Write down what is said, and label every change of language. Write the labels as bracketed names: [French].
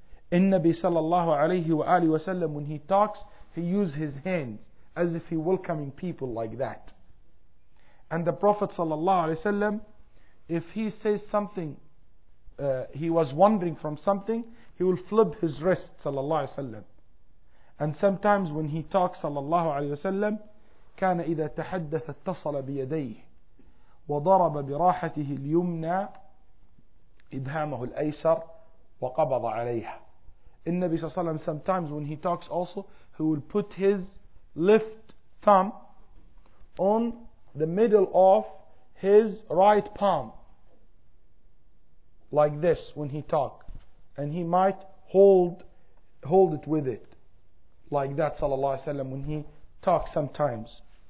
[English] In Nabi sallallahu alayhi wa alihi wa sallam, when he talks, he uses his hands as if he welcoming people like that. And the Prophet sallallahu alayhi wa sallam, if he says something, he was wondering from something, he will flip his wrist, sallallahu alayhi wa sallam. And sometimes when he talks, sallallahu alayhi wa sallam, [Arabic] كَانَ إِذَا تَحَدَّثَ اتَّصَلَ بِيَدَيْهِ وَضَرَبَ بِرَاحَتِهِ الْيُمْنَى إبهامه الأيسر وقبض عليها. النبي صلى الله عليه وسلم [English] sometimes when he talks also, he will put his left thumb on the middle of his right palm like this when he talk, and he might hold it with it like that, [Arabic] صلى الله عليه وسلم, [English] when he talks sometimes.